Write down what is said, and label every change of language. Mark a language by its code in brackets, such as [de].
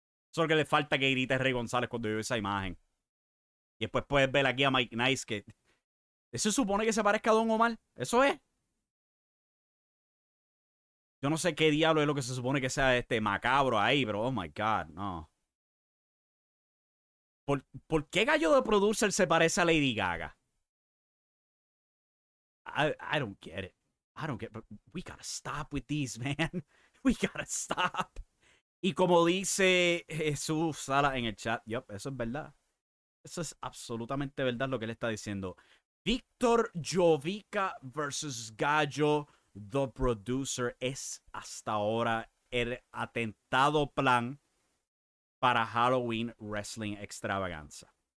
[es] Solo que le falta que grite Rey González cuando vio esa imagen. Y después puedes ver aquí a Mike Nice, que ¿eso supone que se parezca a Don Omar? ¿Eso es? Yo no sé qué diablo es lo que se supone que sea macabro ahí, pero [en] oh my God, [es] no. ¿Por qué Gallo de Producer se parece a Lady Gaga? [en] I don't get it. We gotta stop with these, man. We gotta stop. [es] Y como dice Jesús Sala en el chat, yep, eso es verdad. Eso es absolutamente verdad lo que él está diciendo. Víctor Jovica versus Gallo, the producer, es hasta ahora el atentado plan para Halloween Wrestling Extravaganza.